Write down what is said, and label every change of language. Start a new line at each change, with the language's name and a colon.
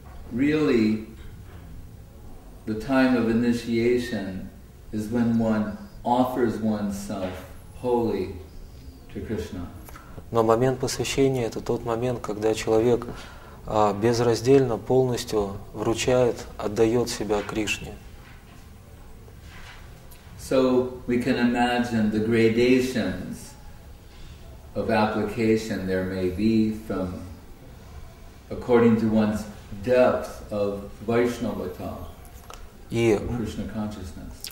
English: Really, the time of initiation is when one offers oneself wholly to Krishna.
Russian: Но момент посвящения — это тот момент, когда человек безраздельно, полностью вручает, отдает себя Кришне.
English: So we can imagine the gradations of application there may be from according to one's depth of Vaishnavata, Krishna consciousness.